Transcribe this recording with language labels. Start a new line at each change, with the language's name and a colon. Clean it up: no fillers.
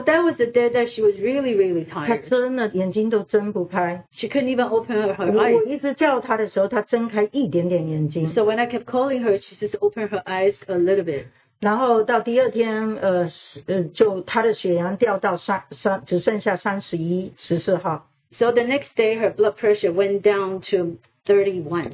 English: that was the day that she was really, really tired.
Chinese: 她睁了眼睛都睁不开。
English: She couldn't even open her eyes.
Chinese: 我一直叫她的时候，她睁开一点点眼睛。
English: So when I kept calling her, she just opened her eyes a little bit.
Chinese: 然后到第二天，就她的血压掉到只剩下31、14号。
English: So the next day, her blood pressure went down to 31.